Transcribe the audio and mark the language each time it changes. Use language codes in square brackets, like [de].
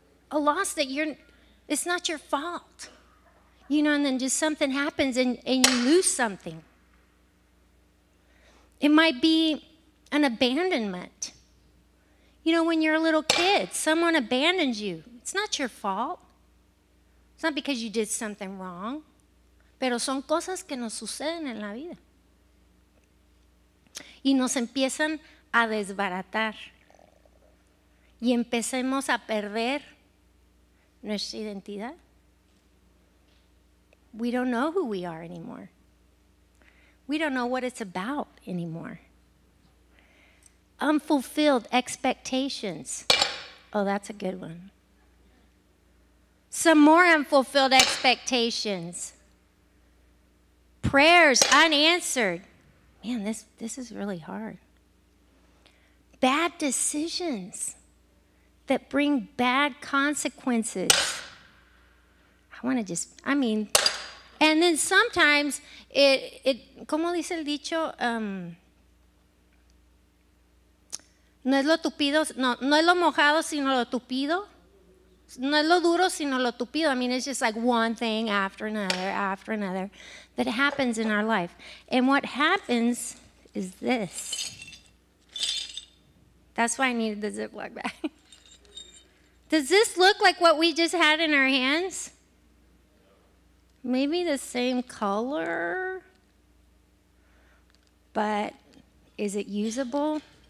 [en] A loss that you're, it's not your fault. You know, and then just something happens and you lose something. It might be an abandonment. You know, when you're a little kid, someone abandons you. It's not your fault. It's not because you did something wrong. [es] Pero son cosas que nos suceden en la vida. Y nos empiezan a desbaratar. Y empecemos a perder nuestra identidad. [en] We don't know who we are anymore. We don't know what it's about anymore. Unfulfilled expectations. Oh, that's a good one. Some more unfulfilled expectations. Prayers unanswered. Man, this is really hard. Bad decisions that bring bad consequences. And then sometimes it [es] ¿cómo dice el dicho? No es lo tupido, no es lo mojado, sino lo tupido. No es lo duro, sino lo tupido. [en] I mean, it's just like one thing after another that happens in our life. And what happens is this. That's why I needed the Ziploc bag. Does this look like what we just had in our hands? Maybe the same color, but is it usable?